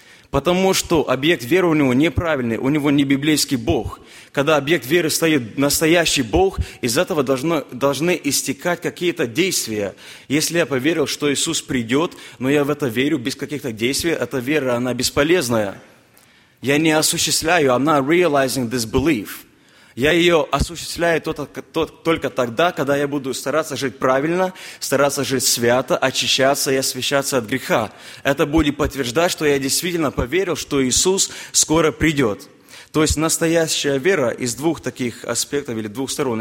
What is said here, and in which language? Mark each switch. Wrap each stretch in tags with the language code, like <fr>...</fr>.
<ru>Потому что объект веры у него неправильный, у него не библейский Бог. Когда объект веры стоит настоящий Бог, из этого должны истекать какие-то действия. Если я поверил, что Иисус придет, но я в это верю без каких-то действий, эта вера, она бесполезная. Я не осуществляю,</ru> <en>I'm not realizing this belief.</en> <ru>Я ее осуществляю только тогда, когда я буду стараться жить правильно, стараться жить свято, очищаться и освящаться от греха. Это будет подтверждать, что я действительно поверил, что Иисус скоро придет. То есть настоящая вера из двух таких аспектов или двух сторон.</ru>